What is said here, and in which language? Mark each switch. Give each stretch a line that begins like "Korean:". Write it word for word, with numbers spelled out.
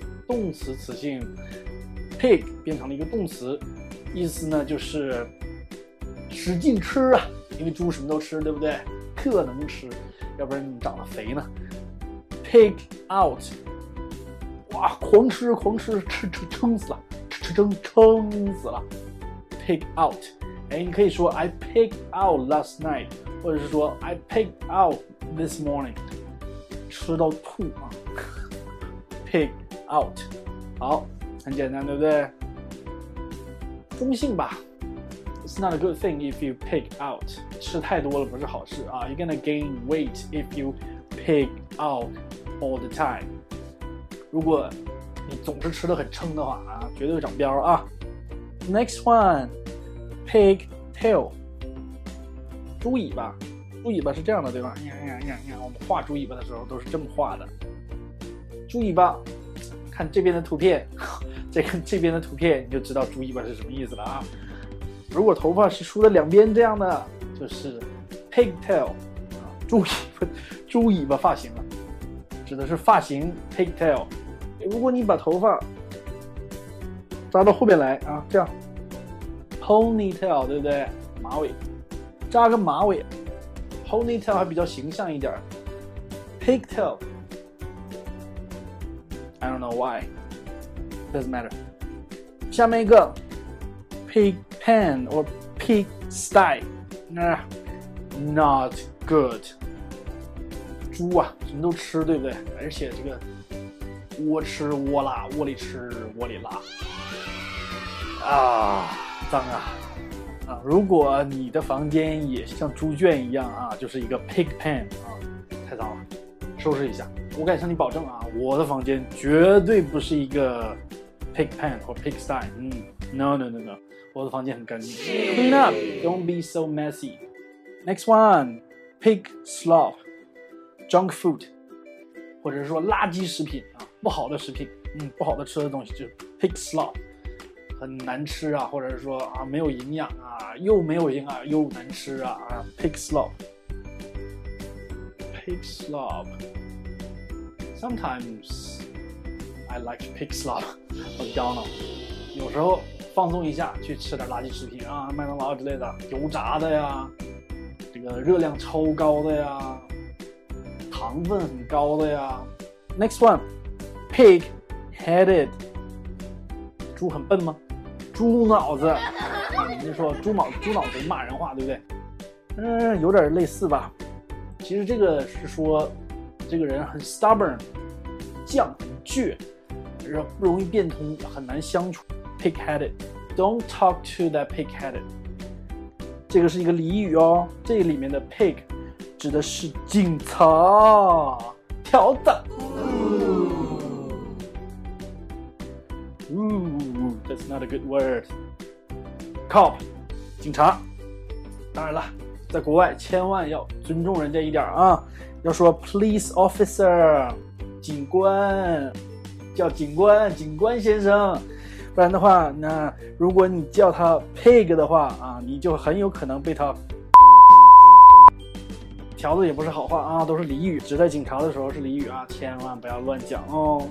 Chinese: 动词词性 pig 变成了一个动词，意思呢就是使劲吃啊，因为猪什么都吃，对不对？特能吃，要不然你长得肥呢。pig out， 哇，狂吃狂吃，吃吃撑死了，吃吃撑撑死了。 pig out， 哎，你可以说
English: I pig out last night，
Chinese: 或者是说
English: I pig out this morning，
Chinese: 吃到吐啊。
English: pig。
Chinese: out， 好，很简单，对不对？中性吧。
English: It's not a good thing if you pig out，
Chinese: 吃太多了不是好事啊。
English: You're gonna gain weight if you pig out all the time。
Chinese: 如果你总是吃得很撑的话啊，绝对会长膘啊。
English: Next one，
Chinese: pig tail， 猪尾巴，猪尾巴是这样的，对吧？呀呀呀呀！我们画猪尾巴的时候都是这么画的，猪尾巴。看这边的图片，再看这边的图片，你就知道猪尾巴是什么意思了啊！如果头发是梳了两边这样的，就是 pigtail， 猪尾巴，猪尾巴发型了，指的是发型 pigtail。如果你把头发扎到后边来啊，这样 ponytail， 对不对？马尾，扎个马尾 ，ponytail 还比较形象一点 ，pigtail。
English: I don't know why. Doesn't matter.
Chinese: 下面一个 pig pen or pig sty， 啊、uh, ，
English: not good.
Chinese: 猪啊，什么都吃，对不对？而且这个窝吃窝拉，窝里吃窝里拉，啊，脏啊！啊，如果你的房间也像猪圈一样啊，就是一个 pig pen 啊，太脏了。收拾一下，我敢向你保证啊，我的房间绝对不是一个 pig pen 或 pig sty。嗯 ，
English: no no no no，
Chinese: 我的房间很干净。
English: Clean up, don't be so messy. Next one,
Chinese: pig slop, junk food， 或者是说垃圾食品啊，不好的食品，嗯，不好的吃的东西就是 pig slop， 很难吃啊，或者是说啊没有营养啊，又没有营养又难吃啊，啊 pig slop。
English: Pig slop. Sometimes I like pig slop.
Chinese: 我叨叨，有时候放松一下，去吃点垃圾食品啊，麦当劳之类的，油炸的呀，这个热量超高的呀，糖分很高的呀。
English: Next one,
Chinese: pig-headed. 猪很笨吗？猪脑子。你说猪脑猪脑子骂人话，对不对？嗯，有点类似吧。其实这个是说，这个人很 stubborn， 犟很倔，不容易变通，很难相处。
English: Pig-headed， don't talk to that pig-headed。
Chinese: 这个是一个俚语哦，这里面的 pig 指的是警察，条子。
English: Ooh, that's not a good word.
Chinese: Cop， 警察。当然了。在国外千万要尊重人家一点啊，要说 police officer， 警官，叫警官，警官先生，不然的话，那如果你叫他 pig 的话啊，你就很有可能被他条子也不是好话啊，都是俚语，指代警察的时候是俚语啊，千万不要乱讲哦。